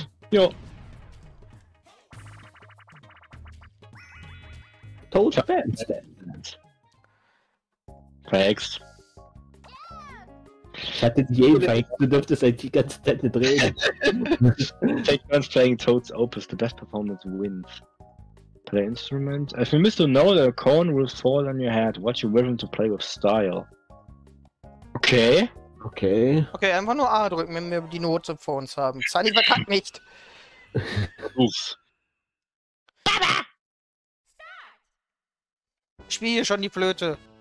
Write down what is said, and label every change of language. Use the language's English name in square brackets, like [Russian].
[German] Jo. Total Bandstand. Verhext. Ich hatte die eh verhext, du dürftest halt die ganze Zeit nicht reden. [English] Take turns playing Toad's Opus, the best performance wins. Play instrument. If you miss to know that a cone will fall on your head, watch your rhythm to play with style. Okay. Okay. [German] Okay, einfach nur A drücken, wenn wir die Note vor uns haben. Sunny verkackt nicht! Uff. Baba! Spiel schon die Flöte.